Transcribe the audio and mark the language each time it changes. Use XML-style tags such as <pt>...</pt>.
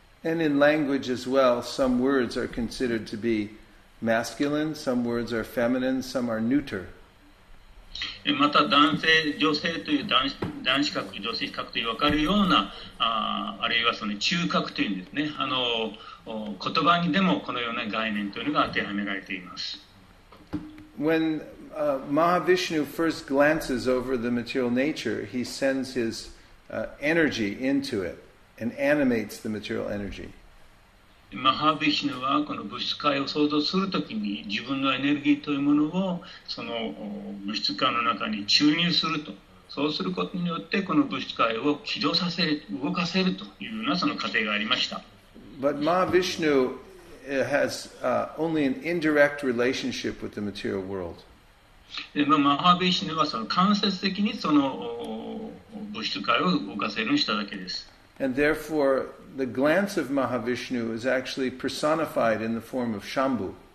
<en>And in language as well, some words are considered to be masculine, some words are feminine, some are neuter.</en> <ja>また男性女性という男子格女性格という分かるような、 あるいはその中格というんですね、あの言葉にでもこのような概念というのが当てはめられています。</ja> <en>When Mahavishnu first glances over the material nature, he sends his energy into it and animates the material energy.</en> <ja>マハヴィシヌはこの物質界を創造するときに自分のエネルギーというものをその物質界の中に注入すると、そうすることによってこの物質界を起動させる、動かせるというようなその過程がありました。</ja> <en>But Mahavishnu has only an indirect relationship with the material world.</en> <ja>マハヴィシヌはその間接的にその物質界を動かせるにしただけです。</ja> <en>And therefore, the glance of Mahavishnu is actually personified in the form of Shambhu.</en>